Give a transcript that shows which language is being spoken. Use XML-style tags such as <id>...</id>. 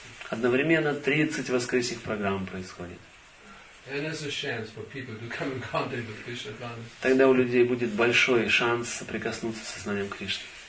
<ru>Одновременно 30 воскресных программ происходит.</ru> <en>And there's a chance for people to come in contact with Krishna consciousness.</en> <ru>Тогда у людей будет большой шанс соприкоснуться с сознанием Кришны.</ru>